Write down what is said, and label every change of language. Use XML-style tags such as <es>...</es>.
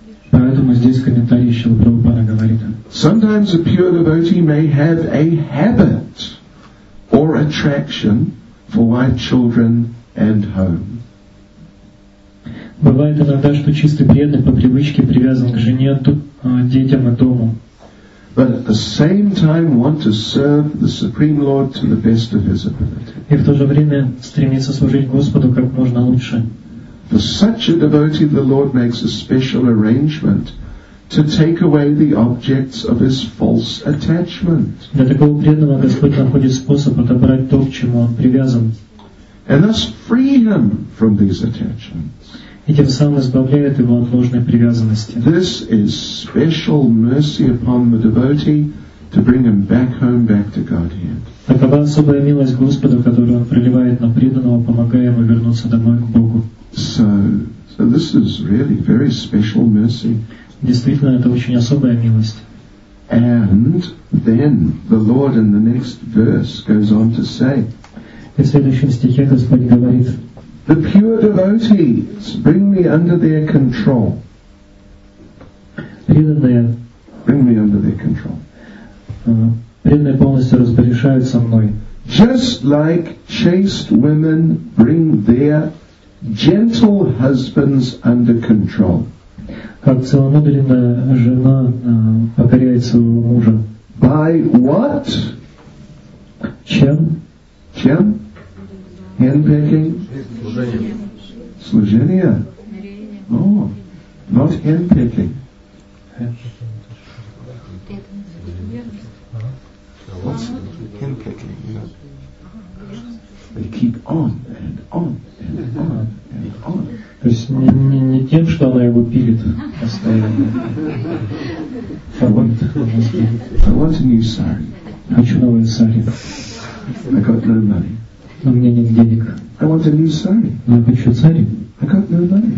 <ru>Поэтому здесь комментарий Шрила Прабхупада говорит.</ru> <en>Sometimes a pure devotee may have a habit or attraction for wife, children, and home.</en> <ru>Бывает иногда, что чистый преданный по привычке привязан к жене, детям и дому.</ru> <en>But at the same time want to serve the Supreme Lord to the best of his ability.</en> <ru>И в то же время стремится служить Господу как можно лучше.</ru> <en>For such a devotee, the Lord makes a special arrangement to take away the objects of his false attachment.</en> <ru>Для такого преданного Господь находит способ отобрать то, к чему он привязан.</ru> <en>And thus free him from these attachments.</en> <ru>И тем самым избавляет его от ложной привязанности.</ru> <en>This is special mercy upon the devotee to bring him back home, back to Godhead.</en> <ru>Такова особая милость Господа, которую он проливает на преданного, помогая ему вернуться домой к Богу.</ru> <en>So this is really very special mercy.</en> <ru>Действительно, это очень особая милость.</ru> <en>And then the Lord in the next verse goes on to say.</en> <ru>И в следующем стихе Господь говорит.</ru> <en>The pure devotees bring me under their control.</en> <ru>Преданные,</ru> <en>bring me under their control.</en> <ru>Преданные полностью распоряжаются мной.</ru> <en>Just like chaste women bring their gentle husbands under control.</en> <ru>Как целомудренная жена покоряет своего мужа.</ru> <en>By what?</en> <ru>Чем? Чем?</ru> <en>Handpacking?</en> <ru>Служение. Служение? О,</ru> <en>not handpicking. What's handpicking? They keep on and on and on and on.</en> <ru>То есть не тем, что она его пилит постоянно.</ru> <en>I want a new sari.</en> <ru>Хочу новое сари.</ru> <en>I got no money.</en> <ru>Но у меня нет денег.</ru> <en>I want a new sari.</en> <ru>Но я хочу сари.</ru> <en>I got no money.</en>